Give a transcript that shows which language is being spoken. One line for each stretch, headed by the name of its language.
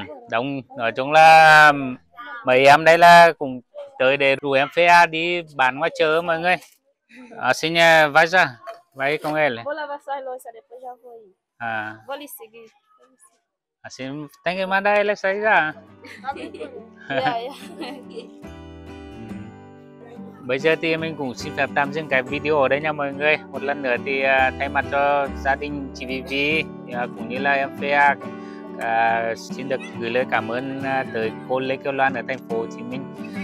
Vietnamese: Đông, nói chung là mấy em đây là cũng tới để rủ em phía đi bán ngoài chợ mọi người.
Portuguese: À, xin vai xa. Vai com ele. Vou lavar sua louça, depois já vou ir. Ah. Vou lhe seguir. Assim, tem que mandar ele sair já.
Vietnamese: Bây giờ thì mình cũng xin phép tạm dừng cái video ở đây nha mọi người. Một lần nữa thì thay mặt cho gia đình chị Vivi cũng như là em Fea xin được gửi lời cảm ơn tới cô Lê Kiều Loan ở thành phố Hồ Chí Minh.